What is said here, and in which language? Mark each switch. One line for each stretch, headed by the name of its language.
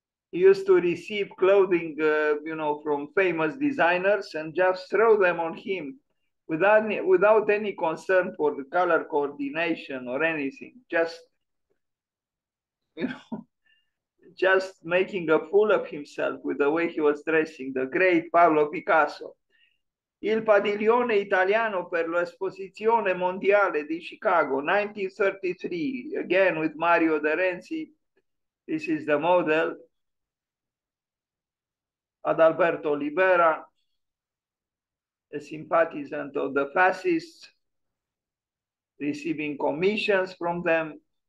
English: He used to receive clothing, you know, from famous designers and just throw them on him without any concern for the color coordination or anything. Just, you know, just making a fool of himself with the way he was dressing, the great Pablo Picasso.
Italian: Il padiglione italiano per l'esposizione mondiale di Chicago, 1933.
English: Again, with Mario De Renzi, this is the model. Adalberto Libera, a sympathizant of the fascists, receiving commissions from them.